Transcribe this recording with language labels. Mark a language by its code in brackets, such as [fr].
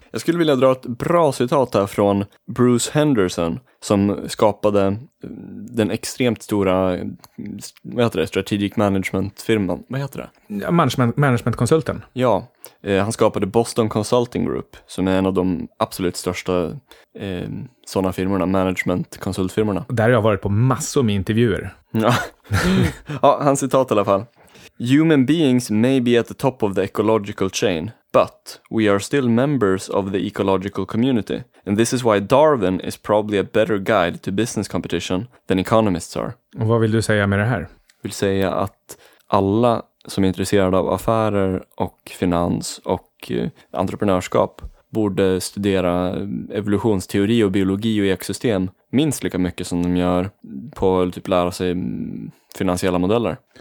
[sv] Jag skulle vilja dra ett bra citat här från Bruce Henderson som skapade den extremt stora, vad heter det, strategic management-firman, vad heter det? Ja, management-konsulten. Ja, han skapade Boston Consulting Group som är en av de absolut största sådana firmorna, management-konsultfirmorna. Där har jag varit på massor med intervjuer. Ja, hans citat i alla fall. [en] Human beings may be at the top of the ecological chain, but we are still members of the ecological community. And this is why Darwin is probably a better guide to business competition than economists are. [sv] Och vad vill du säga med det här? Jag vill säga att alla som är intresserade av affärer och finans och entreprenörskap borde studera evolutionsteori och biologi och ekosystem minst lika mycket som de gör på att typ lära sig finansiella modeller.